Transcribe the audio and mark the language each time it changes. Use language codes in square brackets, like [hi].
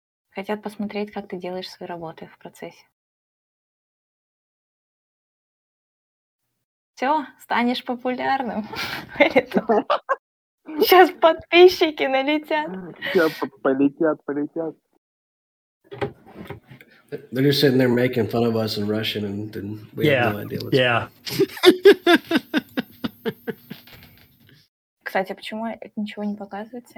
[ru] Хотят посмотреть, как ты делаешь свои работы в процессе. Все, станешь популярным. Сейчас подписчики налетят. Полетят. [en] They're just sitting there making fun of us in Russian, and then we have no idea what's going on. [ru] Кстати, почему это ничего не показывается?